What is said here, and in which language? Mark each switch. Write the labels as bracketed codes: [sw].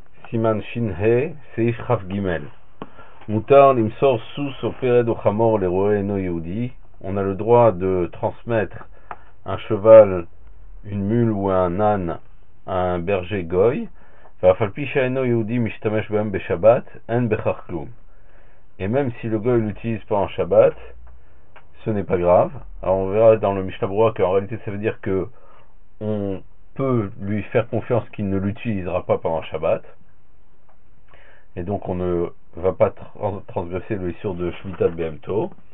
[he] סימן שינה, סעיף חף ג' מותר למסור סוס או פרד או חמור לרועה אינו יהודי. [fr] On a le droit de transmettre un cheval, une mule ou un âne à un berger goy. [he] ואף על פי שאינו יהודי משתמש בהם בשבת, אין בכך כלום. [fr] Et même si le goy l'utilise pas en Shabbat, ce n'est pas grave. Alors on verra dans le Mishnah Berurah qu'en réalité ça veut dire que on peut lui faire confiance qu'il ne l'utilisera pas pendant Shabbat. Et donc on ne va pas transgresser le issur de Shmita de Behemto.